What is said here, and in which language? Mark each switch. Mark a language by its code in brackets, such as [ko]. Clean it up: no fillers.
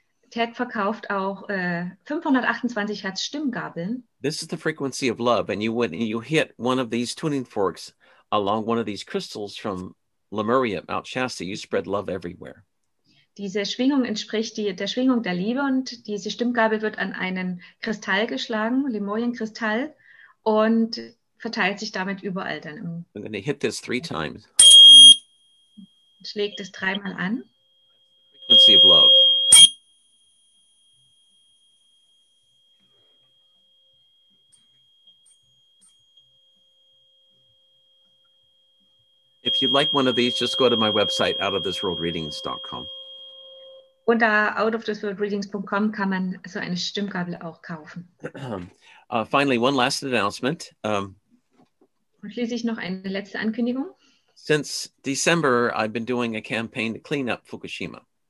[de] Ted verkauft auch 528 Hertz Stimmgabeln. [en] This is the frequency of love, and you hit one of these tuning forks along one of these crystals from Lemuria at Mount Shasta. You spread love everywhere. [de] Diese Schwingung entspricht der Schwingung der Liebe, und diese Stimmgabel wird an einen Kristall geschlagen, Lemurienkristall, und verteilt sich damit überall dann. [en] I'm going to hit this 3 times. [de] Schlägt es 3-mal an. [en] Frequency of love. If you'd like one of these, just go to my website, outofthisworldreadings.com. [de] Unter outofthisworldreadings.com kann man so eine Stimmgabel auch kaufen. [en] Finally, one last announcement. [de] Und schließlich noch eine letzte Ankündigung. [en] Since December, I've been doing a campaign to clean up Fukushima.